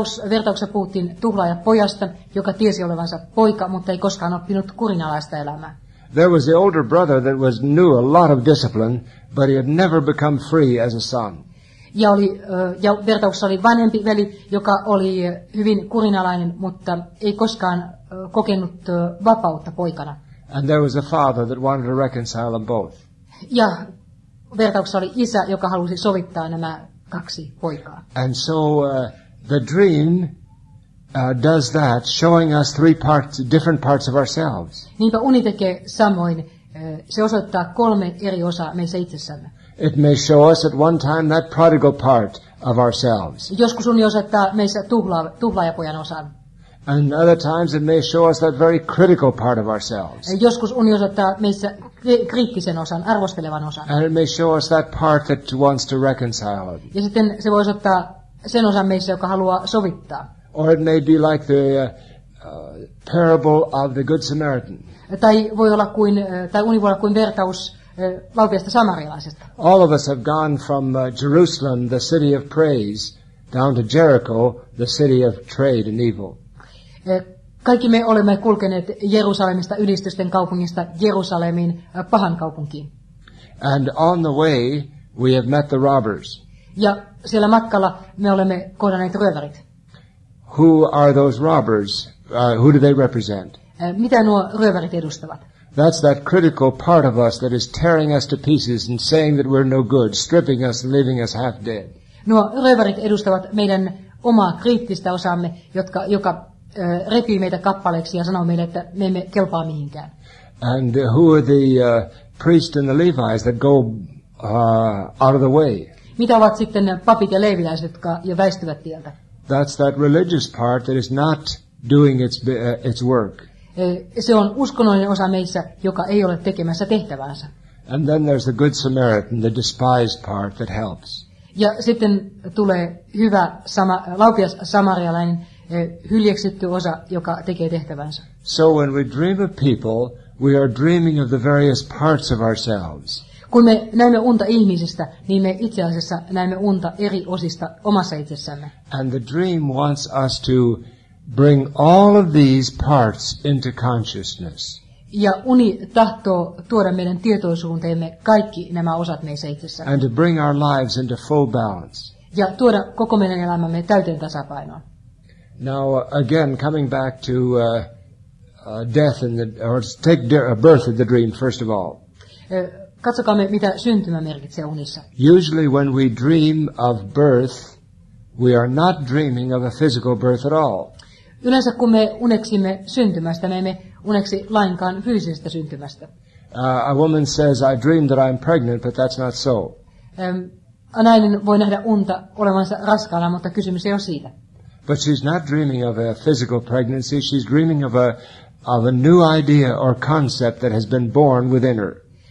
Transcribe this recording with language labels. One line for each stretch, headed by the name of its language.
Finnish: Vertauksessa puhuttiin tuhlaaja pojasta, joka tiesi olevansa poika, mutta ei koskaan oppinut kurinalaista elämää.
English: There was the older brother that was knew a lot of discipline, but he had never become free as a son.
Finnish: Ja vertauksessa oli vanhempi veli, joka oli hyvin kurinalainen, mutta ei koskaan kokenut vapautta poikana.
English: And there was a father that wanted to reconcile them both.
Finnish: Ja vertauksessa oli isä, joka halusi sovittaa nämä kaksi poikaa.
English: And so the dream does that, showing us three parts, different parts of ourselves.
Finnish: Niinpä uni tekee samoin. Se osoittaa kolme eri osaa meissä itsessämme.
English: It may show us at one time that prodigal part of ourselves.
Finnish: Joskus uni osoittaa meissä tuhlaajapojan osan.
English: And other times it may show us that very critical part of ourselves.
Finnish: Joskus uni osoittaa meissä kriittisen osan, arvostelevan osan.
English: And it may show us that part that wants to reconcile it.
Finnish: Ja sitten se voi osoittaa sen osan meissä, joka haluaa sovittaa.
English: Or it may be like the parable of the Good Samaritan.
Finnish: Tai voi olla kuin, tai uni voi olla kuin vertaus valtiasta samarialaisesta.
English: All of us have gone from Jerusalem, the city of praise, down to Jericho, the city of trade and evil.
Finnish: Kaikki me olemme kulkeneet Jerusalemista, ylistysten kaupungista, Jerusalemiin, pahan kaupunkiin.
English: And on the way, we have met the robbers.
Finnish: Ja siellä matkalla me olemme kohdanneet ryövärit.
English: Who are those robbers? Who do they represent?
Finnish: Mitä nuo ryövärit edustavat?
English: That's that critical part of us that is tearing us to pieces and saying that we're no good, stripping us and leaving us half dead.
Finnish: Nuo ryövärit edustavat meidän omaa kriittistä osaamme, joka repii meitä kappaleiksi ja sanoo meille, että me emme kelpaa mihinkään.
English: And who are the priests and the Levites that go out of the way?
Finnish: Mitä ovat sitten papit ja leiviläiset, jotka jo väistyvät tieltä?
English: That's that religious part that is not doing its work.
Finnish: Se on uskonnollinen osa meissä, joka ei ole tekemässä tehtävänsä.
English: And then there's the good Samaritan, the despised part that helps.
Finnish: Ja sitten tulee hyvä laupias samarialainen, hyljeksitty osa, joka tekee tehtävänsä.
English: So when we dream of people, we are dreaming of the various parts of ourselves.
Finnish: Kun me näemme unta ihmisistä, niin me itse asiassa näemme unta eri osista omassa itsessämme.
English: And the dream wants us to bring all of these parts into consciousness.
Finnish: Ja uni tahtoo tuoda meidän tietoisuuteemme kaikki nämä osat meissä itsessä.
English: And to bring our lives into full balance.
Finnish: Ja tuoda koko meidän elämämme täyteen tasapainoon.
English: Now again, coming back to death in the or take birth of the dream first of all.
Finnish: Katsokaamme, mitä syntymä merkitsee unissa.
English: Usually when we dream of birth, we are not dreaming of a physical birth at all.
Finnish: Yleensä kun me uneksimme syntymästä, me emme uneksi lainkaan fyysisestä syntymästä.
English: A woman says, I dream that I'm pregnant, but that's not so.
Finnish: Nainen voi nähdä unta olevansa raskaana, mutta kysymys ei ole siitä.
English: But she's not dreaming of a physical pregnancy, she's dreaming of a new idea or concept that has been born within her.